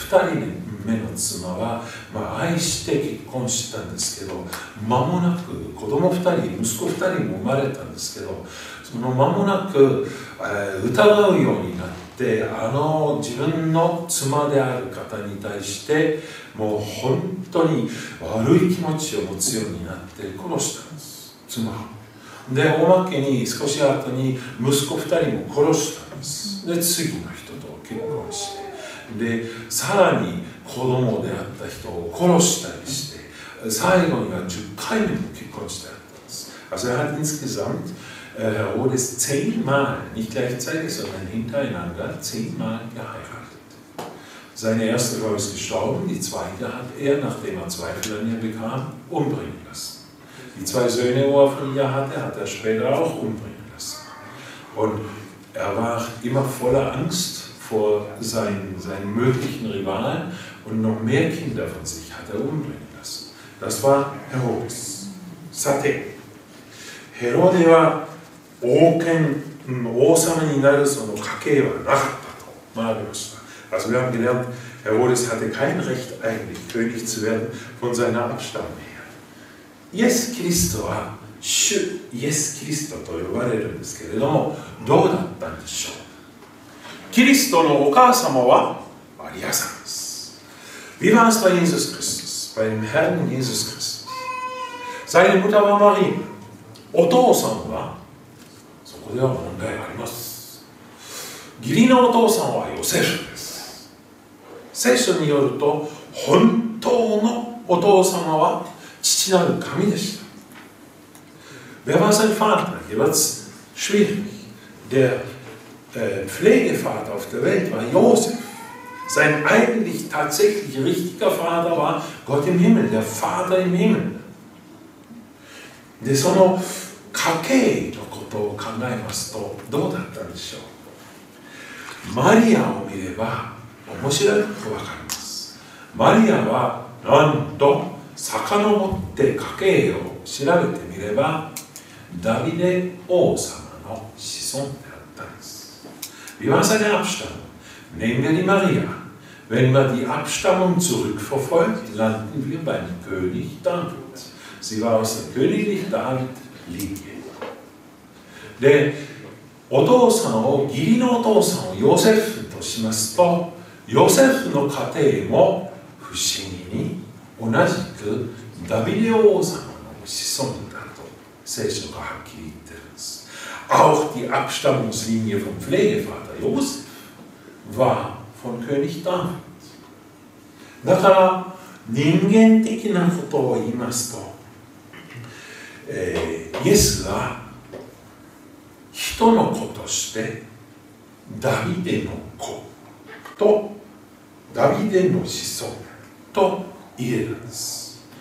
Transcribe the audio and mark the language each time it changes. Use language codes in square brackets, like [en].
[ja] 二人目の妻は、まあ、愛して結婚したんですけど、間もなく子供二人、息子二人も生まれたんですけど、その間もなく、疑うようになって、あの自分の妻である方に対してもう本当に悪い気持ちを持つようになって殺したんです、妻を。で、おまけに少し後に息子二人も殺したんです。で、次の人と結婚して、で、さらに子供であった人を殺したりして、最後には10回目も結婚してあったんです。 [de] Also er hat insgesamt wurde es 10 Mal, nicht gleichzeitig, sondern hintereinander 10 Mal geheiratet. Seine erste Frau ist gestorben, die zweite hat er, nachdem er Zweifel an ihr bekam, umbringen lassen. Die zwei Söhne, die er von ihr hatte, hat er später auch umbringen lassen. Und er war immer voller Angst vor seinen möglichen Rivalen, und noch mehr Kinder von sich hat er umbringen lassen. Das war Herodes. Sate. Herodes war [ja] 王権、王様になる その家系はなかったと学びました。 [de] Also wir haben gelernt, Herodes hatte kein Recht eigentlich, König zu werden, von seiner Abstammung her. [ja] イエス・キリストは主イエス・キリストと呼ばれるんですけれども、どうだったんでしょう。キリストのお母様はマリアさんです。 [de] Wie war es bei Jesus Christus? Bei dem Herrn Jesus Christus? Seine Mutter war Maria. [ja] お父さんはここでは問題があります。義理のお父さんはヨセフです。聖書によると本当のお父様は父なる神でした。 [de] Wer war sein Vater? Hier war es schwierig. Der Pflegevater auf der Welt war Josef. Sein eigentlich tatsächlich richtiger Vater war Gott im Himmel, der Vater im Himmel. [ja] でその家計のことを考えますとどうだったんでしょう。マリアを見れば面白いと分かります。マリアはなんと遡って家計を調べてみれば、ダビデ王様の子孫であったんです。 [de] Wie war seine Abstammung? Nehmen wir die Maria. Wenn wir die Abstammung zurückverfolgt, landen wir beim König David. Sie war aus der königlichen David [ja] で、お父さんを、義理のお父さんをヨセフとしますと、ヨセフの家庭も不思議に同じくダビデ王様の子孫だと聖書がはっきり言ってるんです。 [de] Auch die Abstammungslinie vom Pflegevater Josef war von König David. [ja] だから人間的なことを言いますと、イエスは人の子としてダビデの子とダビデの子孫と言えるんです。